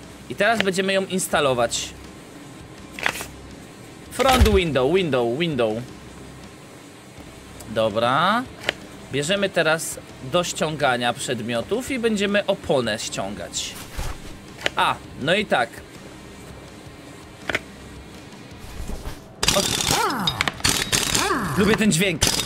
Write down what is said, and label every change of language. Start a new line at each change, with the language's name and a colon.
Polish: I teraz będziemy ją instalować.
English: Front window, window, window.
Polish: Dobra. Bierzemy teraz do ściągania przedmiotów i będziemy oponę ściągać. A, no i tak. Lubię ten dźwięk.